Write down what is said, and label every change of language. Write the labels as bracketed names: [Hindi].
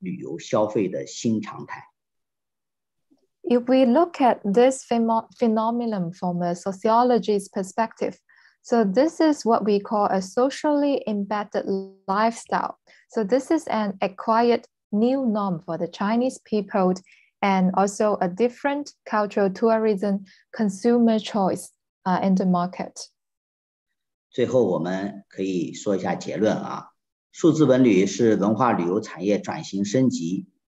[Chinese] 从社会学的角度来看，来分析，这就体现出一种社会嵌入的中国人啊，社会嵌入的一种生活方式，体现了一种习得的中国已经中国人习惯了的习得了的一个中国文化旅游消费的新常态。 [English] If we look at this phenomenon from a sociology's perspective, so this is what we call a socially embedded lifestyle. So this is an acquired new norm for the Chinese people and also a different cultural tourism consumer choice in the market. [Chinese] 最后我们可以说一下结论啊，数字文旅是文化旅游产业转型升级。